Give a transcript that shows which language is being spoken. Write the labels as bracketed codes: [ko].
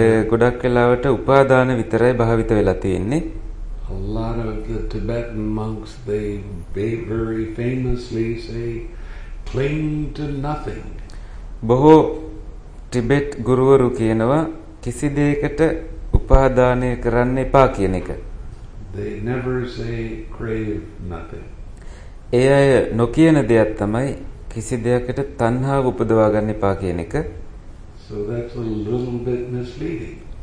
[si] ගොඩක් වෙලාවට උපාදාන විතරයි භාවිත වෙලා තියෙන්නේ. [en] A lot of the Tibetan monks, they very famously say, cling to nothing. [si] බොහෝ ටිබෙට් ගුරුවරු කියනවා කිසි දෙයකට උපාදානය කරන්න එපා කියන එක. [en] They never say crave nothing. [si] ඒ අය නොකියන දෙයක් තමයි කිසි දෙයකට තණ්හාව උපදවා ගන්න එපා කියන එක. [en] So that's a little bit misleading.